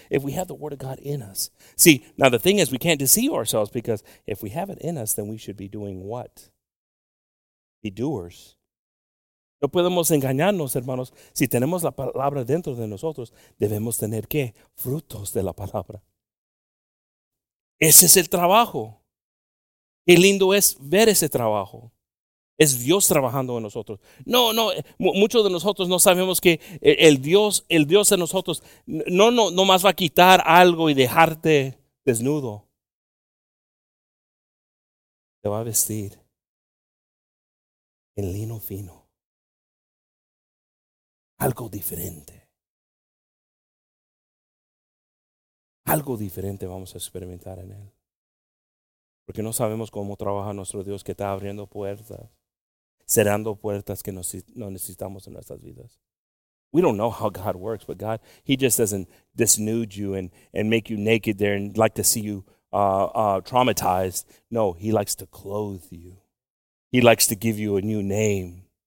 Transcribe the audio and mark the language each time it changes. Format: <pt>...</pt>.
<en>If we have the word of God in us. See, now the thing is, we can't deceive ourselves, because if we have it in us, then we should be doing what? Be doers.</en> <es>No podemos engañarnos, hermanos. Si tenemos la palabra dentro de nosotros, debemos tener ¿qué? Frutos de la palabra. Ese es el trabajo. Qué lindo es ver ese trabajo. Es Dios trabajando en nosotros. No, muchos de nosotros no sabemos que el Dios en nosotros no más va a quitar algo y dejarte desnudo. Te va a vestir en lino fino. Algo diferente. Algo diferente vamos a experimentar en Él. Porque no sabemos cómo trabaja nuestro Dios, que está abriendo puertas. Cerrando puertas que no necesitamos en nuestras vidas.</es> <en>We don't know how God works, but God, He just doesn't disnude you and make you naked there and like to see you traumatized. No, He likes to clothe you. He likes to give you a new name.</en>